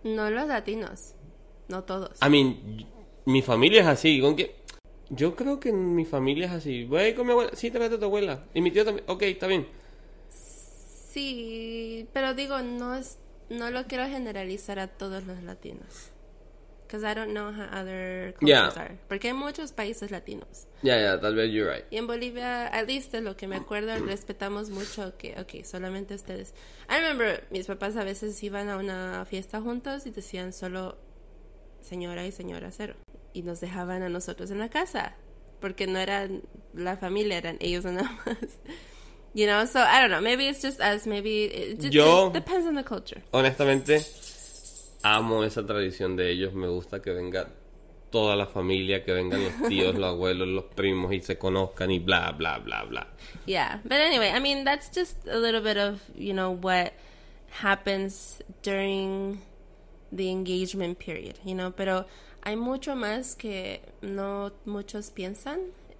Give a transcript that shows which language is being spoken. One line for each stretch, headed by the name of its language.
Spanish: No los latinos, no todos.
English: I mean,
Spanish: mi familia es así, ¿con quién? Yo creo que mi familia es así, voy con mi abuela, sí, te meto a tu abuela, y mi tío también, okay, está bien. Sí, pero digo, no lo quiero generalizar a todos los latinos.
English: Because I don't know how other cultures, yeah, are.
Spanish: Porque hay muchos países latinos.
English: Yeah,
Spanish: tal vez
English: you're right.
Spanish: Y en Bolivia,
English: at least
Spanish: de lo que me acuerdo, respetamos mucho que, okay, solamente ustedes.
English: I remember
Spanish: mis papás a veces iban a una fiesta juntos y decían solo señora y señora cero. Y nos dejaban a nosotros en la casa. Porque no eran la familia, eran ellos nada más.
English: You know, so I don't know, maybe it's just us, maybe it depends on the culture.
Spanish: Honestamente, amo esa tradición de ellos, me gusta que venga toda la familia, que vengan los tíos, los abuelos, los primos y se conozcan y bla, bla, bla, bla.
English: Yeah, but anyway, I mean, that's just a little bit of, you know, what happens during the engagement period, you know,
Spanish: pero hay mucho más que no muchos piensan.